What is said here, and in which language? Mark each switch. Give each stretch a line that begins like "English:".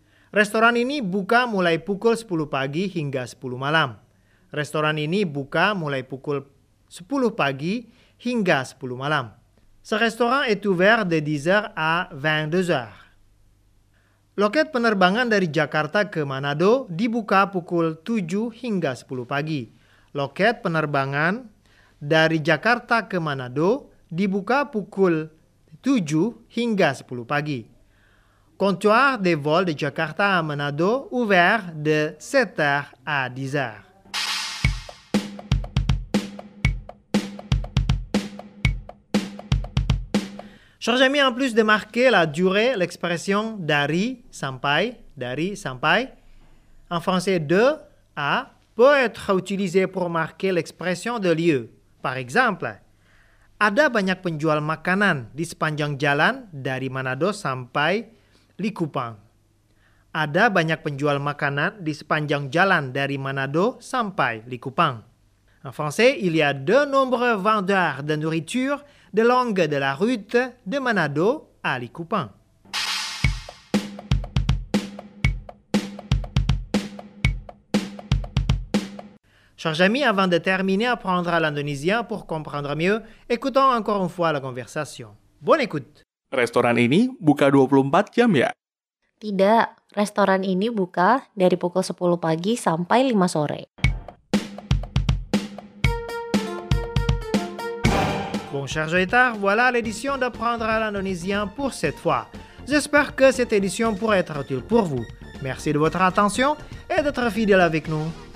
Indonesian: Restoran ini buka mulai pukul 10 pagi hingga 10 malam. Restoran ini buka mulai pukul 10 pagi hingga 10 malam.
French: Ce restaurant est ouvert de 10h à 22h.
Indonesian: Loket penerbangan dari Jakarta ke Manado dibuka pukul 7 hingga 10 pagi. Loket penerbangan dari Jakarta ke Manado dibuka pukul 7 hingga 10 pagi.
French: Comptoir des vols de Jakarta à Manado ouvert de 7h à 10h. Chers amis, en plus de marquer la durée, l'expression dari sampai en français de à peut être utilisée pour marquer l'expression de lieu. Par exemple,
Indonesian: ada banyak penjual makanan di sepanjang jalan dari Manado sampai Likupang. Ada banyak penjual makanan di sepanjang jalan dari Manado sampai Likupang.
French: En français, il y a de nombreux vendeurs de nourriture de longue de la route de Manado à Likupang. Chers amis, avant de terminer, apprendre l'indonésien pour comprendre mieux, écoutons encore une fois la conversation. Bonne écoute.
Indonesian: Restoran ini buka 24 jam ya? Tidak, restoran ini buka dari pukul 10 pagi sampai 5 sore.
French: Bon, chers auditeurs, voilà l'édition d'apprendre l'indonésien pour cette fois. J'espère que cette édition pourra être utile pour vous. Merci de votre attention et d'être fidèle avec nous.